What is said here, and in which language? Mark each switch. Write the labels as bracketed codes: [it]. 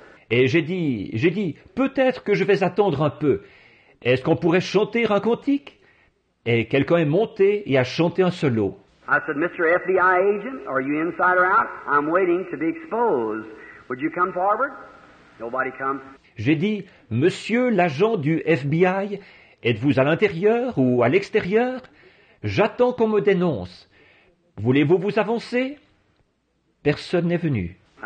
[fr] Et j'ai dit, peut-être que je vais attendre un peu. Est-ce qu'on pourrait chanter un cantique? Et quelqu'un est monté et a chanté un solo. [en] I said, Mr. FBI agent, are you inside or out? I'm waiting to be exposed. Would you come forward? Nobody come. [fr] J'ai dit, monsieur l'agent du FBI, êtes-vous à l'intérieur ou à l'extérieur? J'attends qu'on me dénonce. Voulez-vous vous avancer? Personne n'est venu.